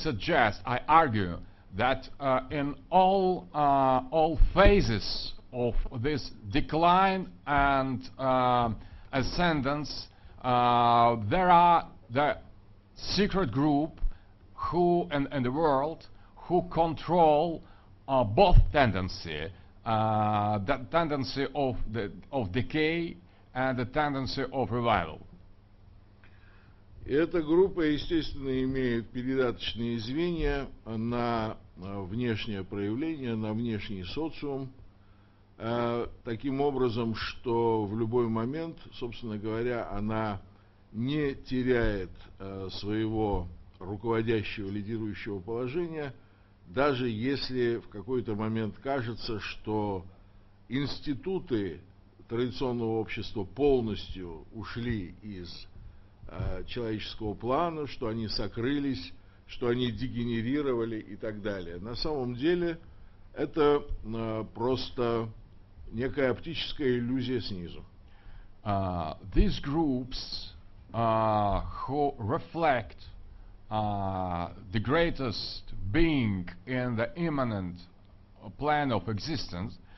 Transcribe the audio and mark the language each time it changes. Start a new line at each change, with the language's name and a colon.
English: I argue that in all phases of this decline and ascendance, there are the secret group who in the world who control both tendency, the tendency of the of decay and the tendency of revival.
Russian: Эта группа, естественно, имеет передаточные звенья на внешнее проявление, на внешний социум, таким образом, что в любой момент, собственно говоря, она не теряет своего руководящего, лидирующего положения, даже если в какой-то момент кажется, что институты традиционного общества полностью ушли из человеческого плана, что они сокрылись, что они дегенерировали и так далее. На самом деле это просто некая оптическая иллюзия снизу.
English: These groups who reflect the greatest being in the imminent plan of existence